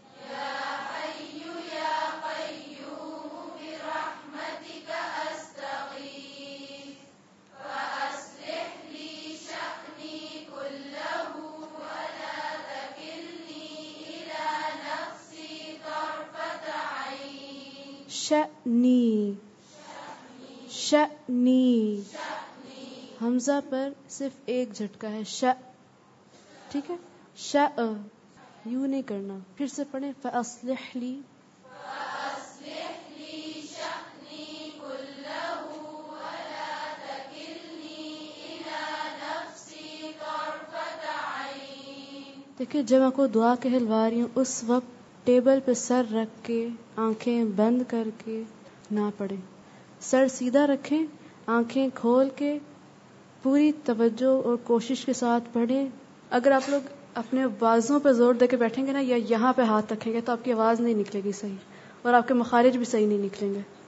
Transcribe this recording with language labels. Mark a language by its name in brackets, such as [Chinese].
[Arabic] يا حي يا قيوم، برحمتك أستغيث، فأصلح لي شأني كله، ولا تكلني إلى نفسي طرفة عين، شأني، شأني، شأني. [Urdu] همزة پر صرف ایک جھٹکا ہے، ش، ٹھیک ہے، شاء، یوں نہیں کرنا، پھر سے پڑھیں، [Arabic] فأصلح لي، فأصلح لي شأني كله، ولا تكلني إلى نفسي طرفة عين. [Urdu] دیکھیں جب میں کو دعا کہلوا رہی ہوں اس وقت ٹیبل پہ سر رکھ کے آنکھیں بند کر کے نہ پڑھیں، سر سیدھا رکھیں، آنکھیں کھول کے پوری توجہ اور کوشش کے ساتھ پڑھیں. اگر آپ لوگ اپنے آوازوں پہ زور دے کے بیٹھیں گے نا، یا یہاں پہ ہاتھ رکھیں گے، تو آپ کی آواز نہیں نکلے گی صحیح، اور آپ کے مخارج بھی صحیح نہیں نکلیں گے.